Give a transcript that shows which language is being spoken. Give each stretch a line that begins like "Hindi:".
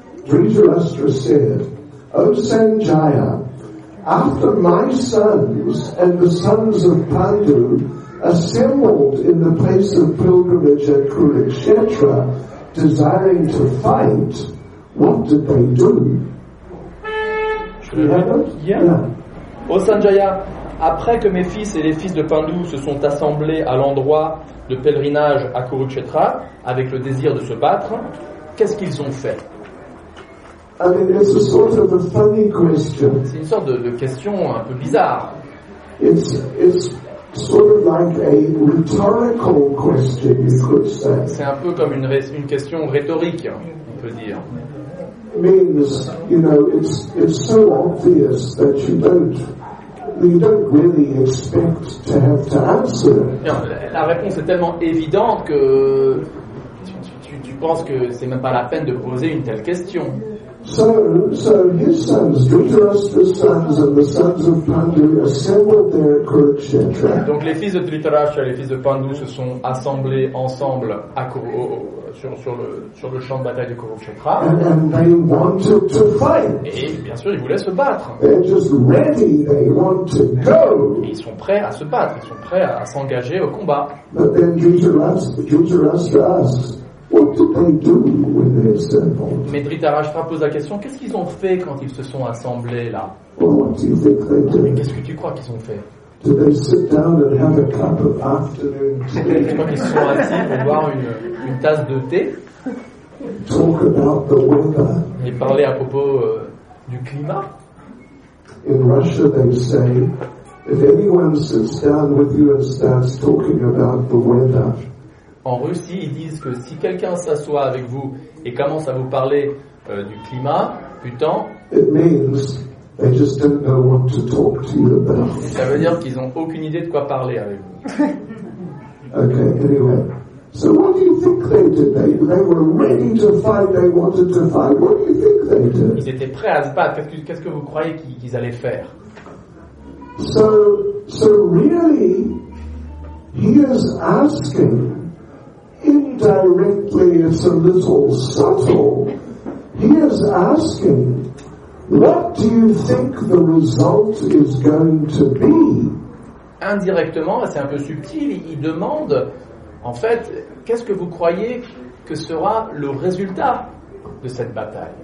English: Dhritarashtra said, O Sanjaya, after my sons and the sons of Pandu assembled in the place of pilgrimage at Kurukshetra, desiring to fight, what did they do? Yeah.
French: O Sanjaya, après que mes fils et les fils de Pandu se sont assemblés à l'endroit de pèlerinage à Kurukshetra avec le désir de se battre, qu'est-ce qu'ils ont fait?
English: I mean, it's a sort of a funny question.
French: C'est une sorte de question un peu bizarre.
English: It's sort of like a rhetorical question, you could say.
French: C'est un peu comme une question rhétorique, on peut dire.
English: It means, you know, it's so obvious that you don't really expect to have to answer.
French: Non, la réponse est tellement évidente que tu penses que c'est même pas la peine de poser une telle question.
English: So his sons, Dhritarashtra's sons and the sons of Pandu assembled there at Kurukshetra.
French: Donc les fils de Dhritarashtra et les fils de Pandu se sont assemblés ensemble sur le champ de bataille de Kurukshetra.
English: And they wanted to fight.
French: Et bien sûr, ils voulaient se battre.
English: They're just ready, they want to go.
French: Et ils sont prêts à se battre, ils sont prêts à s'engager au combat.
English: But then Dhritarashtra asks, what did they do when they assembled?
French: Mais Dhritarashtra pose la question, qu'est-ce qu'ils ont fait quand ils se sont assemblés là?
English: Well, what do you think they did?
French: Mais qu'est-ce que tu crois qu'ils ont fait?
English: Did they sit down and have a cup of afternoon tea?
French: Je crois qu'ils se sont assis pour boire une tasse de thé.
English: Talk about the weather.
French: Et parler à propos du climat.
English: In Russia, they say, if anyone sits down with you and starts talking about the weather.
French: En Russie, ils disent que si quelqu'un s'assoit avec vous et commence à vous parler du climat, putain,
English: it means They just didn't know what to talk to you about.
French: Ça veut dire qu'ils n'ont aucune idée de quoi parler avec vous.
English: Okay, anyway. So what do you think they did? They were ready to fight, they wanted to fight. What do you think they did?
French: Ils étaient prêts à se battre. Qu'est-ce que vous croyez qu'ils allaient faire?
English: So really, he is asking indirectly, it's a little subtle. He is asking, what do you think the result is going to be?
French: Indirectement, c'est un peu subtil, il demande, en fait, qu'est-ce que vous croyez que sera le résultat de cette bataille?